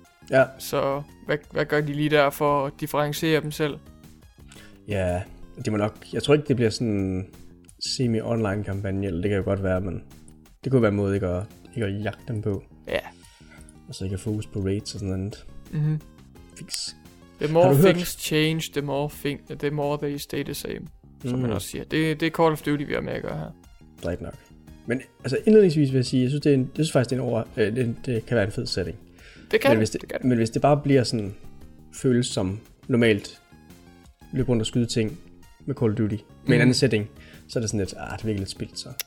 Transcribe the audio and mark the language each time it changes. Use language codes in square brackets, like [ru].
[da] Ja. Så hvad gør de lige der for at differentiere dem selv? Ja, det må nok... Jeg tror ikke, det bliver sådan en semi-online-kampagne, eller det kan jo godt være, men det kunne være en måde ikke at, ikke at jagte dem på. Ja. Og så ikke at fokus på raids og sådan noget. Mhm. Fix. [en] The more things change, the more they stay the same. [da] Som man også siger. Det er Call of Duty, vi har med at gøre her. Rigtig nok. Men altså indledningsvis vil jeg sige, jeg synes faktisk, det kan være en fed setting. Det kan. Men hvis det bare bliver sådan, føles som normalt, løb rundt og skyde ting med Call of Duty, med en anden setting, så er det sådan lidt, det virker lidt spildt så.